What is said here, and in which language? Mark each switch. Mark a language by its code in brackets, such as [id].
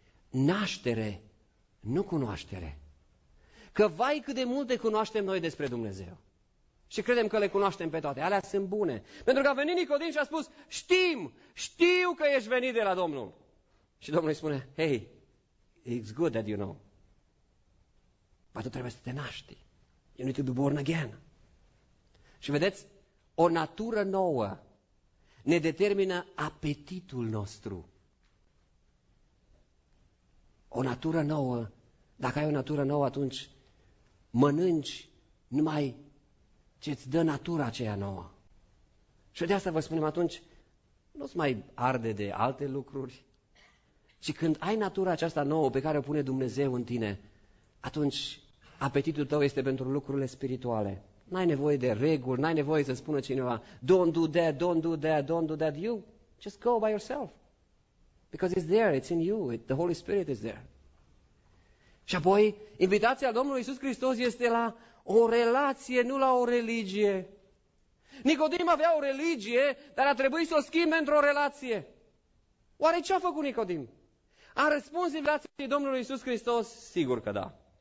[ro] Naștere, nu cunoaștere. Că vai cât de multe cunoaștem noi despre Dumnezeu. Și credem că le cunoaștem pe toate. Alea sunt bune. Pentru că a venit Nicodim și a spus: știu că ești venit de la Domnul. Și Domnul îi spune: [en] hey, it's good that you know. [ro] Păi tu trebuie să te naști. [en] You need to be born again. [ro] Și vedeți, o natură nouă ne determină apetitul nostru. O natură nouă, dacă ai o natură nouă, atunci mănânci numai ce-ți dă natura aceea nouă. Și de asta vă spunem, atunci nu-ți mai arde de alte lucruri, ci când ai natura aceasta nouă pe care o pune Dumnezeu în tine, atunci apetitul tău este pentru lucrurile spirituale. N-ai nevoie de reguli, n-ai nevoie să spună cineva: [en] don't do that, don't do that, don't do that, you just go by yourself. Because it's there, it's in you, the Holy Spirit is there. [ro] Și apoi, invitația Domnului Iisus Hristos este la o relație, nu la o religie. Nicodim avea o religie, dar a trebuit să o schimbe într-o relație. Oare ce a făcut Nicodim? A răspuns invitației Domnului Iisus Hristos? Sigur că da.